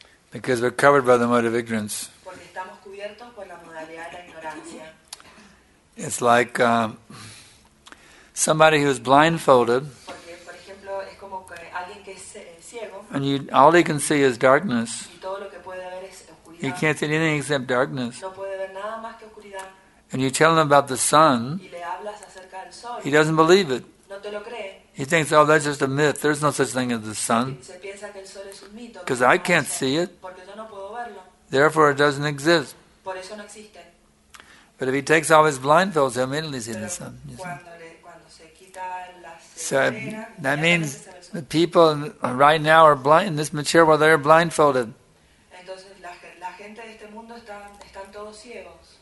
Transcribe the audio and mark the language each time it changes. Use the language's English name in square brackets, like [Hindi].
[English] Because we're covered by the mode of ignorance. [Spanish] Porque estamos cubiertos por la modalidad de la ignorancia. [English] It's like somebody who's blindfolded. [Spanish] Porque, por ejemplo, es como alguien que es ciego. [English] And all he can see is darkness. [Spanish] Y todo lo que puede ver es oscuridad. [English] He can't see anything except darkness. [Spanish] No puede ver nada más que oscuridad. [English] And you tell him about the sun, he doesn't believe it. [Spanish] No te lo cree. [English] He thinks, oh, that's just a myth. There's no such thing as the sun. Because I can't see it. [Spanish] Yo no puedo verlo. [English] Therefore, it doesn't exist. [Spanish] Por eso no existe. [English] But if he takes off his blindfolds, he'll immediately see [Spanish] Pero [English] the sun. [Spanish] Cuando [English] see? [Spanish] Se quita las [English] so that means the people right now are blind in this material while they're blindfolded. [Spanish] Entonces, la gente de este mundo están todos ciegos.